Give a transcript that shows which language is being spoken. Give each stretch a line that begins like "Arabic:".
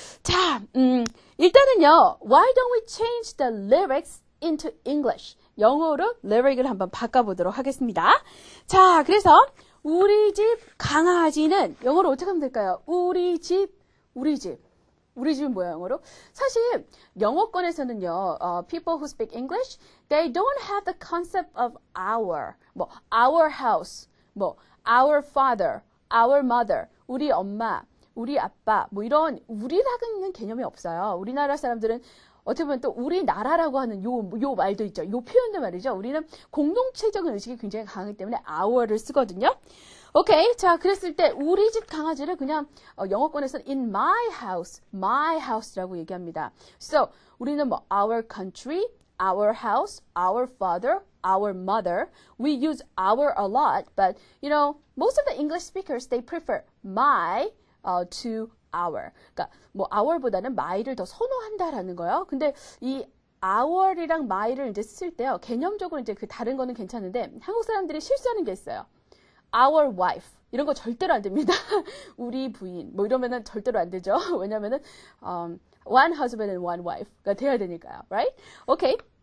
Korean: 자, 일단은요,
English: Why don't we change the lyrics into English?
Korean: 영어로 lyric을 한번 바꿔보도록 하겠습니다. 자, 그래서 우리 집 강아지는 영어로 어떻게 하면 될까요? 우리 집, 우리 집. 우리 집은 뭐야, 영어로? 사실 영어권에서는요,
English: people who speak English, they don't have the concept of our, 뭐, our house, 뭐, our father, our mother,
Korean: 우리 엄마, 우리 아빠, 뭐 이런 우리라고 하는 개념이 없어요. 우리나라 사람들은 어떻게 보면 또 우리나라라고 하는 요 말도 있죠. 요 표현도 말이죠. 우리는 공동체적인 의식이 굉장히 강하기 때문에 our를 쓰거든요. 오케이, 자, 그랬을 때 우리 집 강아지를 그냥 영어권에서는
English: in my house, my house
Korean: 라고 얘기합니다.
English: So,
Korean: 우리는 뭐
English: our country, our house, our father, our mother. We use our a lot, but you know, most of the English speakers, they prefer my to our.
Korean: 그러니까 뭐 our보다는 my를 더 선호한다라는 거예요. 근데 이 our이랑 my를 이제 쓸 때요, 개념적으로 이제 그 다른 거는 괜찮은데 한국 사람들이 실수하는 게 있어요.
English: Our wife.
Korean: 이런 거 절대로 안 됩니다. 우리 부인. 뭐 이러면은 절대로 안 되죠. 왜냐면은
English: one husband and one wife가
Korean: 돼야 되니까요.
English: Right? Okay.